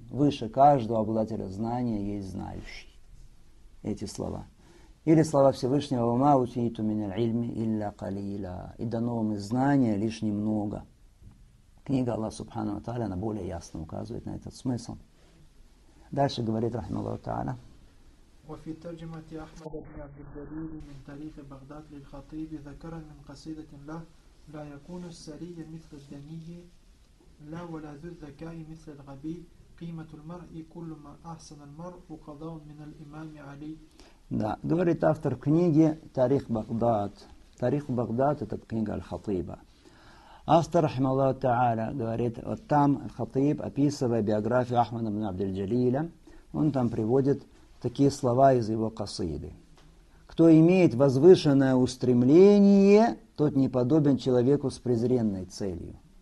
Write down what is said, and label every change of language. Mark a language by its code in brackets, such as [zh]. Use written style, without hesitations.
[ru] Выше каждого обладателя знания есть знающий. Эти слова. Или слова Всевышнего, «Ва ма утиту мин аль-ильми илля калила». И дано вам из знания лишь немного. Книга Аллаха Субхана ва Тааля, она более ясно указывает на этот смысл. Дальше говорит рахмаллаху та'аля. [ar] وفي ترجمة أحمد بن عبد الجليل من تاريخ بغداد للخطيب ذكر من قصيدة له لا يكون السري مثل الدني لا ولا ذو الذكاء مثل الغبي قيمة المرء كل ما أحسن المرء قضاء من الإمام علي. [ru] Да, говорит автор книги تاريخ بغداد. تاريخ بغداد это книга الخطيبة. Автор, рахмаллаху та'аля, говорит, вот там Хатиб, описывая биографию Ахмада ибн Абдель-Джалиля, он там приводит такие слова из его касиды. «Кто имеет возвышенное устремление, тот не подобен человеку с презренной целью».